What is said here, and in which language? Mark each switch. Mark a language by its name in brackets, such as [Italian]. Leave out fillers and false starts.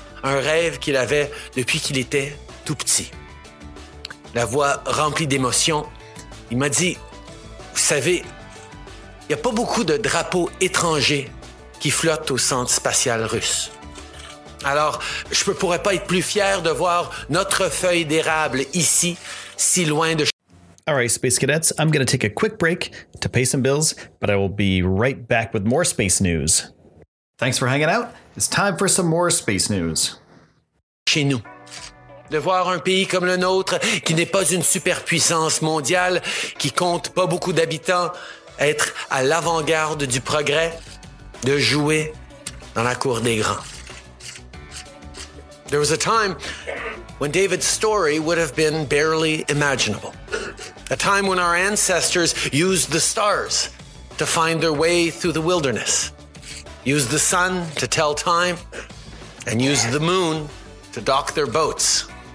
[French] Un rêve qu'il avait depuis qu'il était tout petit. La voix remplie d'émotion, il m'a dit, « Vous savez, il n'y a pas beaucoup de drapeaux étrangers qui flottent au centre spatial russe. Alors, je ne pourrais pas être plus fier de voir notre feuille d'érable ici, si loin de... » [English] All right, Space Cadets, I'm going to take a quick break to pay some bills, but I will be right back with more space news. Thanks for hanging out. It's time for some more space news. [French] Chez nous. De voir un pays comme le nôtre, qui n'est pas une superpuissance mondiale, qui compte pas beaucoup d'habitants, être à l'avant-garde du progrès, de jouer dans la cour des grands. [English] There was a time when David's story would have been barely imaginable. A time when our ancestors used the stars to find their way through the wilderness, used the sun to tell time, and used the moon to dock their boats.